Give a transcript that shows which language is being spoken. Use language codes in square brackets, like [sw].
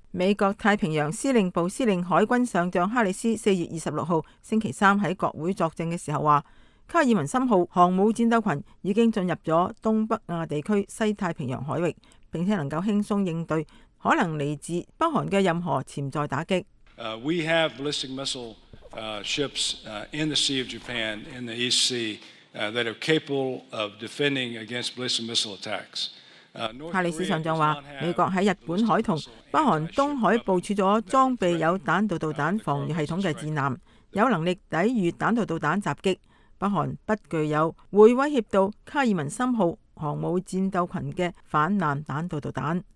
[zh] 美国太平洋司令部司令海军上将哈里斯4月26日星期三在国会作证的时候说，卡尔文森号航母战斗群已经进入了东北亚地区西太平洋海域，并且能够轻松应对可能来自北韩的任何潜在打击。 [en] We have ballistic missile ships in the Sea of Japan, in the East Sea, that are capable of defending against ballistic missile attacks. [zh] 哈里斯上将说，美国在日本海和北韩东海部署了装备有弹道导弹防御系统的战舰，有能力抵御弹道导弹袭击。北韩不具有会威胁到卡尔文森号航母战斗群的反舰弹道导弹。